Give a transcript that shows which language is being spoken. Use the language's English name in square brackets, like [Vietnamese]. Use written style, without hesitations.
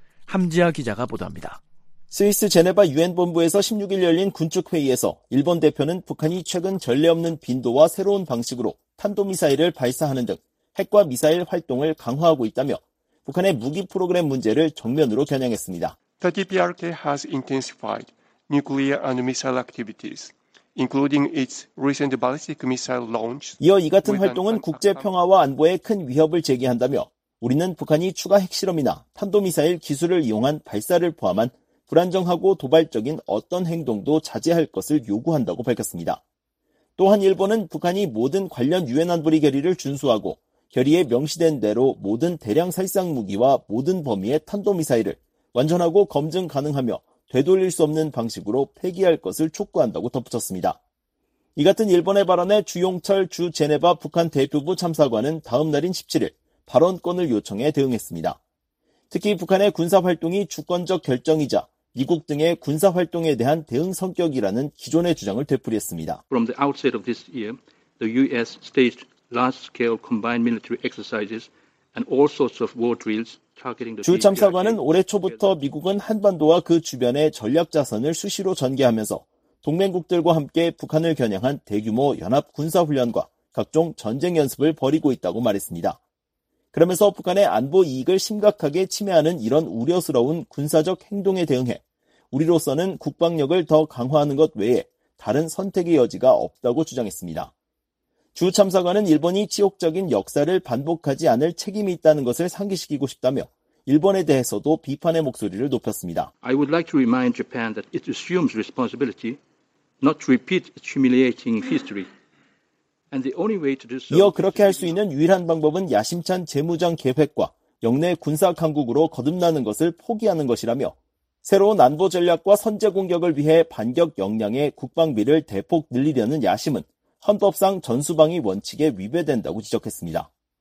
[Korean] 함지아 기자가 보도합니다. 스위스 제네바 유엔 본부에서 16일 열린 군축 회의에서 일본 대표는 북한이 최근 전례 없는 빈도와 새로운 방식으로 탄도미사일을 발사하는 등 핵과 미사일 활동을 강화하고 있다며 북한의 무기 프로그램 문제를 정면으로 겨냥했습니다. [English] The DPRK has intensified nuclear and missile activities, including its recent ballistic missile launch. [Korean] 이어 이 같은 활동은 국제 평화와 안보에 큰 위협을 제기한다며 우리는 북한이 추가 핵실험이나 탄도미사일 기술을 이용한 발사를 포함한 불안정하고 도발적인 어떤 행동도 자제할 것을 요구한다고 밝혔습니다. 또한 일본은 북한이 모든 관련 유엔 안보리 결의를 준수하고 결의에 명시된 대로 모든 대량 살상 무기와 모든 범위의 탄도미사일을 완전하고 검증 가능하며 되돌릴 수 없는 방식으로 폐기할 것을 촉구한다고 덧붙였습니다. 이 같은 일본의 발언에 주용철 주 제네바 북한 대표부 참사관은 다음 날인 17일 발언권을 요청해 대응했습니다. 특히 북한의 군사활동이 주권적 결정이자 미국 등의 군사활동에 대한 대응 성격이라는 기존의 주장을 되풀이했습니다. [English] From the outset of this year, the U.S. staged large-scale combined military exercises and all sorts of war drills. [Korean] 주 참사관은 올해 초부터 미국은 한반도와 그 주변의 전략자산을 수시로 전개하면서 동맹국들과 함께 북한을 겨냥한 대규모 연합군사훈련과 각종 전쟁연습을 벌이고 있다고 말했습니다. 그러면서 북한의 안보 이익을 심각하게 침해하는 이런 우려스러운 군사적 행동에 대응해 우리로서는 국방력을 더 강화하는 것 외에 다른 선택의 여지가 없다고 주장했습니다. 주 참사관은 일본이 치욕적인 역사를 반복하지 않을 책임이 있다는 것을 상기시키고 싶다며 일본에 대해서도 비판의 목소리를 높였습니다. [English] I would like to remind Japan that it assumes responsibility not to repeat its humiliating history. And the only way to do so. [Korean] 이어 그렇게 할 수 있는 유일한 방법은 야심찬 재무장 계획과 영내 군사 강국으로 거듭나는 것을 포기하는 것이라며 새로운 안보 전략과 선제 공격을 위해 반격 역량의 국방비를 대폭 늘리려는 야심은 헌법상 전수방위 원칙에 위배된다고 지적했습니다.